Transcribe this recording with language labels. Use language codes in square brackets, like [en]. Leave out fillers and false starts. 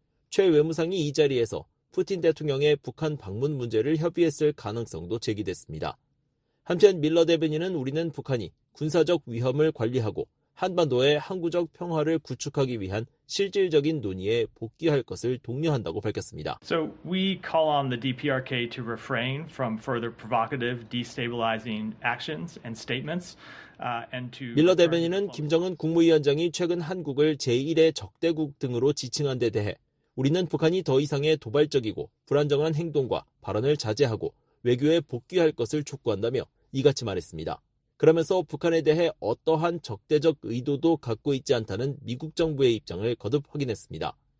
[ko] 최 외무상이 이 자리에서 푸틴 대통령의 북한 방문 문제를 협의했을 가능성도 제기됐습니다. 한편 밀러 대변인은 우리는 북한이 군사적 위험을 관리하고 한반도의 항구적 평화를 구축하기 위한 실질적인 논의에 복귀할 것을 독려한다고 밝혔습니다. [en] So we call on the DPRK to refrain from further provocative destabilizing actions and statements and to [ko] 밀러 대변인은 김정은 국무위원장이 최근 한국을 제1의 적대국 등으로 지칭한 데 대해 우리는 북한이 더 이상의 도발적이고 불안정한 행동과 발언을 자제하고 외교에 복귀할 것을 촉구한다며 이같이 말했습니다. 그러면서 북한에 대해 어떠한 적대적 의도도 갖고 있지 않다는 미국 정부의 입장을 거듭 확인했습니다.